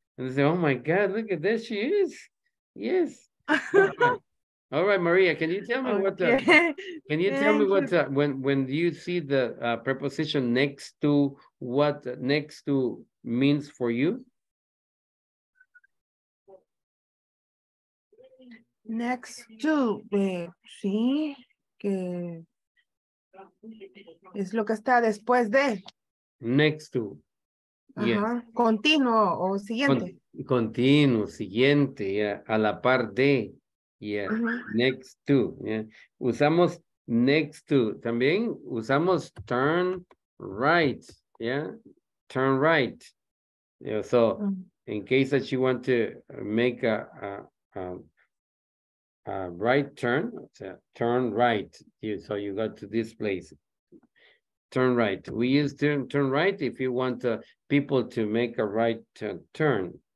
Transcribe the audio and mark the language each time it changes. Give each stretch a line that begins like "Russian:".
English: And say, oh my God, look at this. She is. Yes. All right, Maria, can you tell me when you see the preposition next to, what next to means for you?
Spanish: Next to, sí, que es lo que está después de.
English: Next to. Yeah.
Spanish: Continuo o siguiente. Continuo, siguiente, yeah, a la par de. Yeah, uh-huh.
English: Next to, yeah.
Spanish: Usamos
English: next to,
Spanish: también usamos
English: turn right, yeah, turn right. Yeah, so, uh-huh. In case that you want to make a right turn, turn right. So you go to this place. Turn right. We use turn right if you want people to make a right turn.